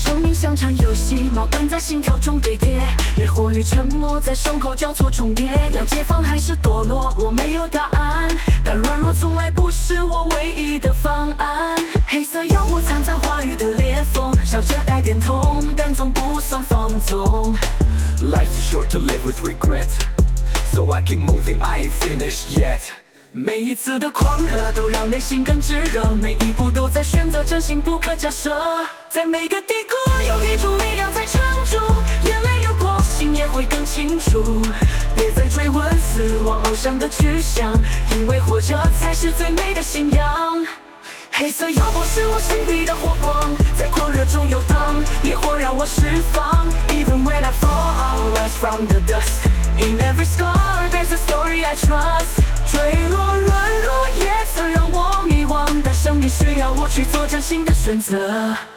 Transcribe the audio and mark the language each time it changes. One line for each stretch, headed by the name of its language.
Chinese: 生命像场游戏，矛盾在心跳中堆叠，烈火与沉默在胸口交错重叠。要解放还是堕落，我没有答案，但软弱从来不是我唯一的方案。黑色幽默藏在话语的裂缝，笑着带点痛，但总不算放纵。
English: Life's too short to live with regret, so I keep moving, I ain't finished yet.
Chinese: 每一次的狂热都让内心更炙热，每一步都在选择真心不可假设。在每个低谷有一种力量在撑住，眼泪流过心也会更清楚。别再追问死亡偶像的去向，因为活着才是最美的信仰。黑色幽默是我心底的火光，在狂热中游荡，烈火让我释放。
English: Even when I fall, I'll rise from the dust. In every scar, there's a story I trust.
Chinese: 坠落软落叶曾让我迷惘，但生命需要我去做真心的选择。